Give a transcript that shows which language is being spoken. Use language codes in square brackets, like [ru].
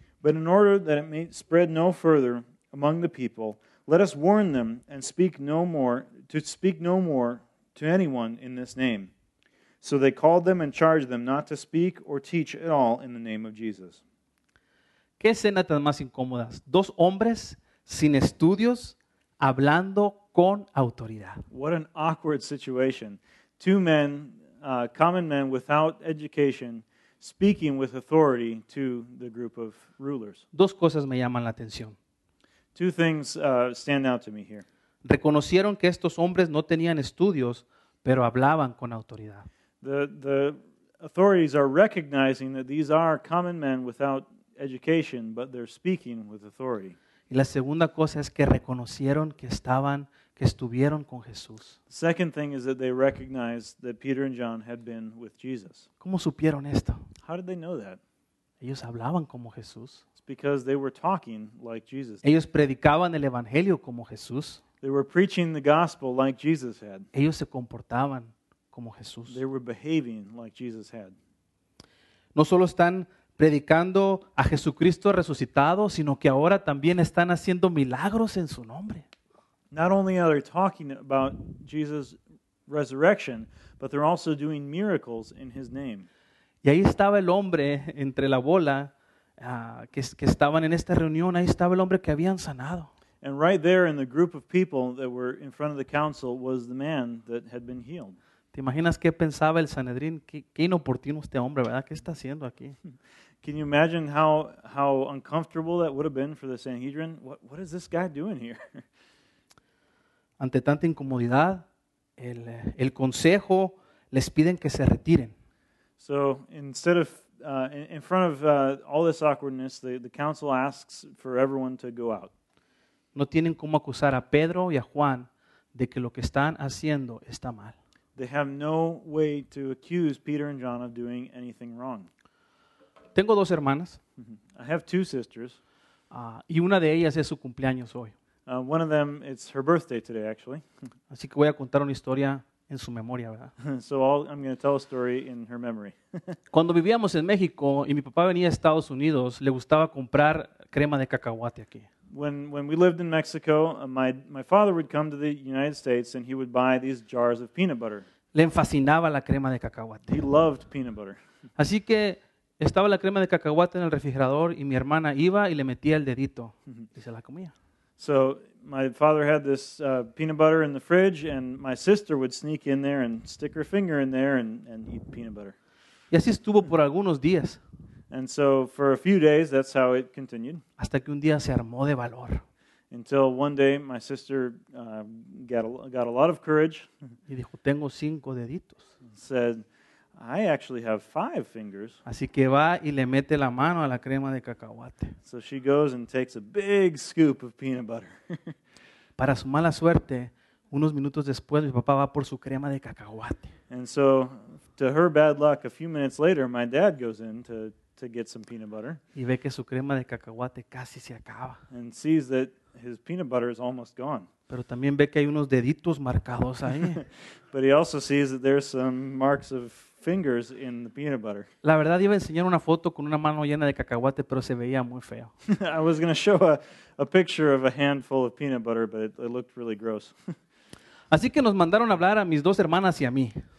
[en] But in order that it may spread no further among the people, let us warn them and speak no more to anyone in this name. So they called them and charged them not to speak or teach at all in the name of Jesus. [es] ¿Qué escena tan más incómoda? Dos hombres sin estudios hablando con autoridad. [en] What an awkward situation. Two men, common men without education, speaking with authority to the group of rulers. [es] Dos cosas me llaman la atención. [en] Two things stand out to me here. [es] Reconocieron que estos hombres no tenían estudios, pero hablaban con autoridad. [en] The authorities are recognizing that these are common men without education, but they're speaking with authority. [es] Y la segunda cosa es que reconocieron que estuvieron con Jesús. [en] The second thing is that they recognized that Peter and John had been with Jesus. [es] ¿Cómo supieron esto? [en] How did they know that? [es] Ellos hablaban como Jesús. [en] It's because they were talking like Jesus. [es] Ellos predicaban el evangelio como Jesús. [en] They were preaching the gospel like Jesus had. [es] Ellos se comportaban como Jesús. [en] They were behaving like Jesus had. [es] No solo están predicando a Jesucristo resucitado, sino que ahora también están haciendo milagros en su nombre. [en] Not only are they talking about Jesus' resurrection, but they're also doing miracles in his name. [es] Y ahí estaba el hombre entre la bola que estaban en esta reunión. Ahí estaba el hombre que habían sanado. [en] And right there in the group of people that were in front of the council was the man that had been healed. [es] ¿Te imaginas qué pensaba el Sanedrín? ¿Qué inoportuno este hombre, verdad? ¿Qué está haciendo aquí? [en] Can you imagine how uncomfortable that would have been for the Sanhedrin? What is this guy doing here? [es] Ante tanta incomodidad, el consejo les piden que se retiren. [en] So instead of in front of all this awkwardness, the council asks for everyone to go out. [es] No tienen cómo acusar a Pedro y a Juan de que lo que están haciendo está mal. [en] They have no way to accuse Peter and John of doing anything wrong. [es] Tengo dos hermanas. [en] I have two sisters. [es] Y una de ellas es su cumpleaños hoy. [en] One of them, it's her birthday today, actually. [es] Así que voy a contar una historia en su memoria, ¿verdad? [en] So I'm going to tell a story in her memory. [es] Cuando vivíamos en México y mi papá venía a Estados Unidos, le gustaba comprar crema de cacahuate aquí. [en] When we lived in Mexico, my father would come to the United States and he would buy these jars of peanut butter. [es] Le fascinaba la crema de cacahuate. [en] He loved peanut butter. [es] Así que estaba la crema de cacahuate en el refrigerador y mi hermana iba y le metía el dedito y se la comía. [en] So my father had this peanut butter in the fridge and my sister would sneak in there and stick her finger in there and eat peanut butter. [es] Y así estuvo por algunos días. [en] And so for a few days, that's how it continued. [es] Hasta que un día se armó de valor. [en] Until one day, my sister got a lot of courage. [es] Y dijo, tengo cinco deditos. [en] Said, I actually have five fingers. [es] Así que va y le mete la mano a la crema de cacahuate. [en] So she goes and takes a big scoop of peanut butter. [es] Para su mala suerte, unos minutos después, mi papá va por su crema de cacahuate. [en] And so, to her bad luck, a few minutes later, my dad goes in to get some peanut butter. [es] Y ve que su crema de cacahuate casi se acaba. [en] And sees that his peanut butter is almost gone. [es] Pero también ve que hay unos deditos marcados ahí. [en] But he also sees that there's some marks of fingers in the peanut butter. [es] La verdad, iba a enseñar una foto con una mano llena de cacahuate, pero se veía muy feo. [en] I was going to show a picture of a handful of peanut butter, but it looked really gross. [es] Así que nos mandaron a hablar a mis dos hermanas y a mí.